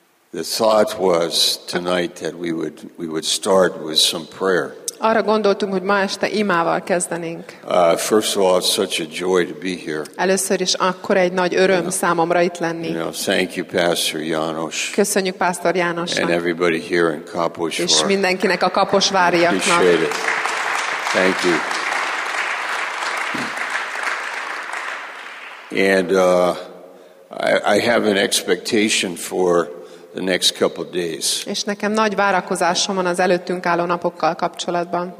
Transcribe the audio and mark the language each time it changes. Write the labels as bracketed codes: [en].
[en] The thought was tonight that we would start with some prayer. [hu] Arra gondoltunk, hogy ma este imával kezdenénk. [en] First of all, it's such a joy to be here. [hu] Először is akkor egy nagy öröm számomra itt lenni. [en] You know, thank you, Pastor János. [hu] Köszönjük Pásztor Jánosnak. [en] And everybody here in Kaposvár. [hu] És mindenkinek a kaposváriaknak. [en] Appreciate it. Thank you. And I have an expectation for the next couple of days. [hu] És nekem nagy várakozásom van az előttünk álló napokkal kapcsolatban.